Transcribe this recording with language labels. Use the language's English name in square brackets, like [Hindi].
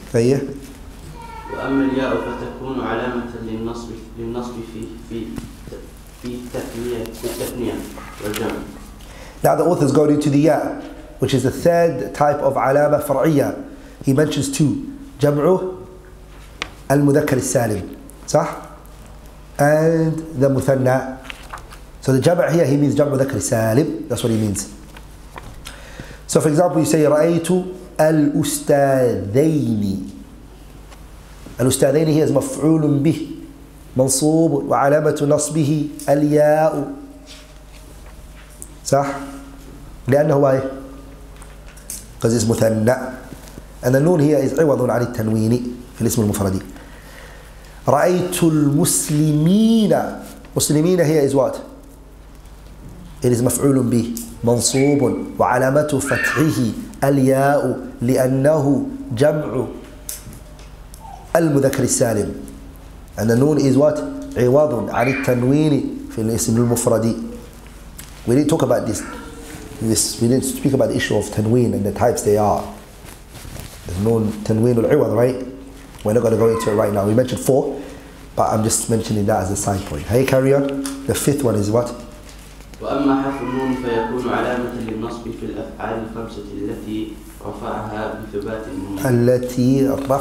[English] Okay? [Arabic] وَأَمَّا الْيَاءُ فَتَكُونُ عَلَامَةً لِلنَّصْبِ فِي تَثْنِيَةً وَالْجَمْعِ [English] Now the author is going into the ya, which is the third type of [Arabic] عَلَامَةً فَرْعِيَةً [English] He mentions two. [Arabic] جمعه المذكر السالم صح and the مثنى [English] so the [Arabic] جمع [English] here he means [Arabic] جمع مذكر سالم [English] that's what he means so for example you say [Arabic] رأيت الأستاذين الأستاذين هي مفعول به منصوب وعلامة نصبه الياء صح لأنه [English] why because it's مثنى And the noon here is [Arabic] عِوَضٌ عَلِي التَّنْوِينِ في الاسم المفردي. رَأَيْتُ الْمُسْلِمِينَ مُسْلِمِينَ [English] here is what? It is [Arabic] مَفْعُولٌ بِهِ مَنْصُوبٌ وَعَلَامَةُ فَتْحِهِ الْيَاءُ لِأَنَّهُ جَمْعُ الْمُذَكَرِ السَّالِمِ [English] And the noon is what? [Arabic] عِوَضٌ عَلِي التَّنْوِينِ في الاسم المفردي. [English] We didn't talk about this. We didn't speak about the issue of تنوين and the types they are. Noon tanween al-iwad, right? We're not going to go into it right now. We mentioned four, but I'm just mentioning that as a side point. Hey, carry on. The fifth one is what? [Arabic] وَأَمَّا حَفُ النُّونِ فَيَكُونُ عَلَامَةً لِلنَّصْبِ فِي الْأَفْعَالِ الْخَمْسَةِ الَّتِي رَفَعَهَا بِثُبَاتِ النُّونِ